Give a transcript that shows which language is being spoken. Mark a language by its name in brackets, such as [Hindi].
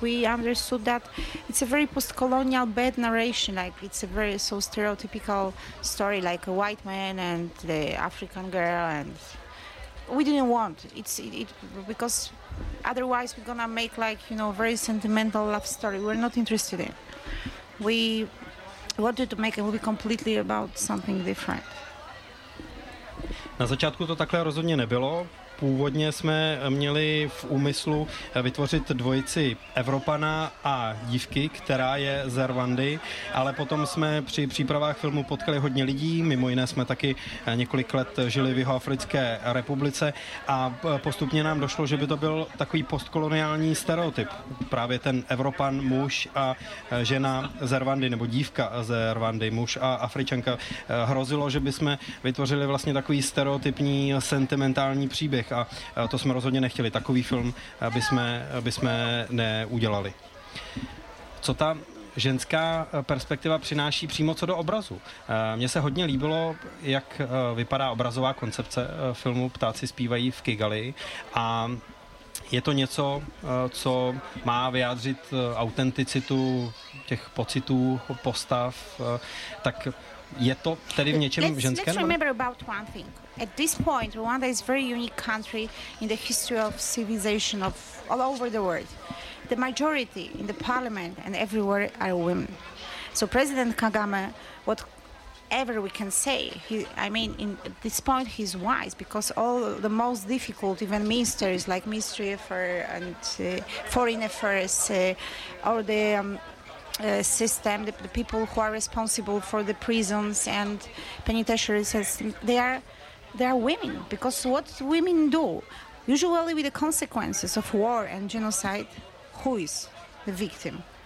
[English] We understood that it's a very post-colonial bad narration, like it's a very so stereotypical story, like a white man and the African girl, and we didn't want it because otherwise we're gonna make, like, you know, very sentimental love story. We're not interested in. We wanted to make a movie completely about something different. [Czech] Na začátku to takhle rozhodně nebylo. Původně jsme měli v úmyslu vytvořit dvojici Evropana a dívky, která je z Rwandy, ale potom jsme při přípravách filmu potkali hodně lidí, mimo jiné jsme taky několik let žili v Jihoafrické republice a postupně nám došlo, že by to byl takový postkoloniální stereotyp. Právě ten Evropan, muž a žena z Rwandy, nebo dívka z Rwandy, muž a Afričanka. Hrozilo, že bychom vytvořili vlastně takový stereotypní sentimentální příběh. A to jsme rozhodně nechtěli. Takový film bychom neudělali. Co ta ženská perspektiva přináší přímo co do obrazu? Mně se hodně líbilo, jak vypadá obrazová koncepce filmu Ptáci zpívají v Kigali. A je to něco, co má vyjádřit autenticitu těch pocitů, postav. Tak je to tedy v něčem ženské? [English] Let's remember about one thing. At this point, Rwanda is a very unique country in the history of civilization of all over the world. The majority in the parliament and everywhere are women. So President Kagame, whatever we can say, at this point he's wise, because all the most difficult, even ministers like Ministry of Foreign Affairs or the system, the people who are responsible for the prisons and penitentiaries, they are women, because what women do, usually with the consequences of war and genocide, who is the victim?